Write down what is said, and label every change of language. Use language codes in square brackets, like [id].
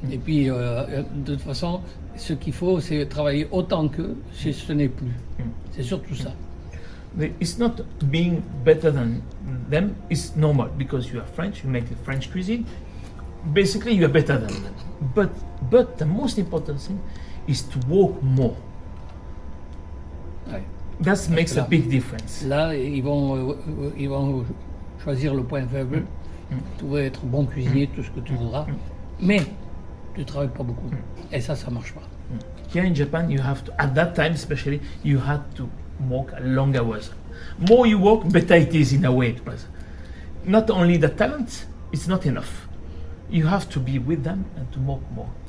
[fr] Et puis, de toute façon, ce qu'il faut, c'est travailler autant qu'eux, si ce n'est plus. C'est surtout ça. [en] It's not to being better than them, it's normal, because you are French, you make the French cuisine, basically you are better than them. But the most important thing is to work more. [fr] Ouais. [en] That makes a big difference. [fr] Là, ils vont choisir le point faible, tu veux être bon cuisinier, tout ce que tu voudras, mais tu ne travailles pas beaucoup, et ça ne marche pas. [en] Here in Japan, you have to, at that time especially, you had to work long hours. More you work, better it is in a way. But not only the talent, it's not enough. You have to be with them and to work more.